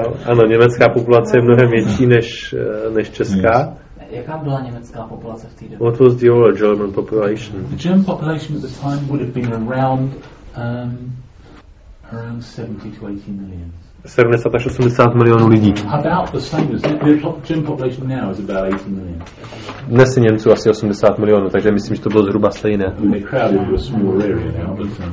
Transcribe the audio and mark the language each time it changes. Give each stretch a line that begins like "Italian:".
Czech: Ano, německá populace je mnohem větší než česká. Jaká byla německá populace v té době?
English: What was the old German population? The German population at the time would have been around 70 to 80 million.
Czech: 70 až 80 milionů lidí.
English: About the same as the German population now is about 80 million.
Czech: Dnes je Němců asi 80 milionů, takže myslím, že to bylo zhruba stejné.
English: They crowded into a smaller area now,